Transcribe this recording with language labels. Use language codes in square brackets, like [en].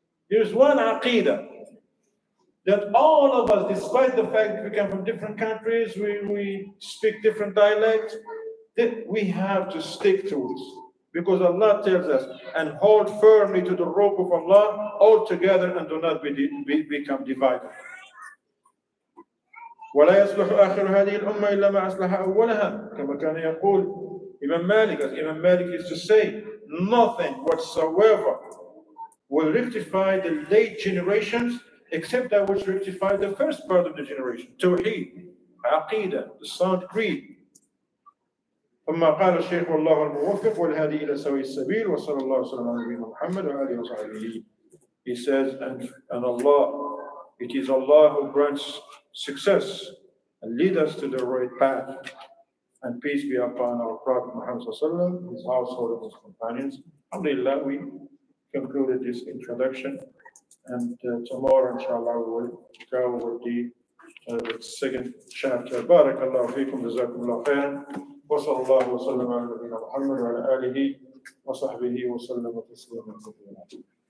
[en] There's one Aqeedah that all of us, despite the fact that we come from different countries, we speak different dialects, that we have to stick to it. Because Allah tells us, and hold firmly to the rope of Allah all together and do not become divided. [ar] ولا يصلح آخر هذه الأمة إلا ما أصلح أولها كما كان يقول إمام مالك. [en] As Imam Malik used to say, nothing whatsoever will rectify the late generations except that which rectified the first part of the generation, Tawheed, Aqeedah, the sound creed. [ar] أما قال الشيخ والله الموفق والهادي إلى سوي السبيل وصلى الله وسلم على نبينا محمد وعلى آله وصحبه. [en] He says, and Allah, it is Allah who grants success and lead us to the right path, and peace be upon our Prophet Muhammad, his household, and his companions. Alhamdulillah, we concluded this introduction, and tomorrow, inshallah, we will go with the second chapter. [ar] Barakallahu feekum, jazakumullahu khairan. وصلى الله وسلم على نبينا محمد وعلى آله وصحبه وسلم تسليما كثيرا.